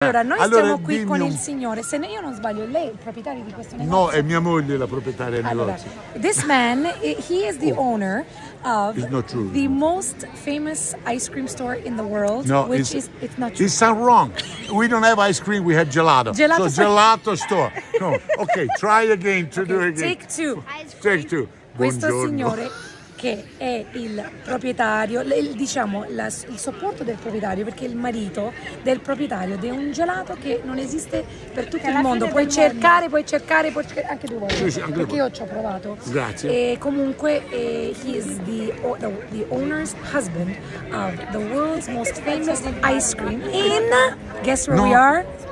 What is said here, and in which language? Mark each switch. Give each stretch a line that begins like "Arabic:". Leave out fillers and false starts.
Italian: Allora, noi stiamo qui con il signore, se io non sbaglio, lei è il proprietario di questo negozio? No, è mia moglie la proprietaria del negozio.
English: This man, he is the owner of the most famous ice cream store in the world. No, which is not true. It's not wrong. We don't have ice cream, we have gelato. Gelato, so, gelato store. No. Okay, try again, do it again. Take two. Take two.
Italian: Questo signore che è il proprietario, il supporto del proprietario, perché il marito del proprietario di un gelato che non esiste per tutto il mondo. Puoi cercare anche due volte, anche perché io ci ho provato. Grazie. E comunque
English: he is the owner's husband of the world's most famous ice cream in, guess where we are?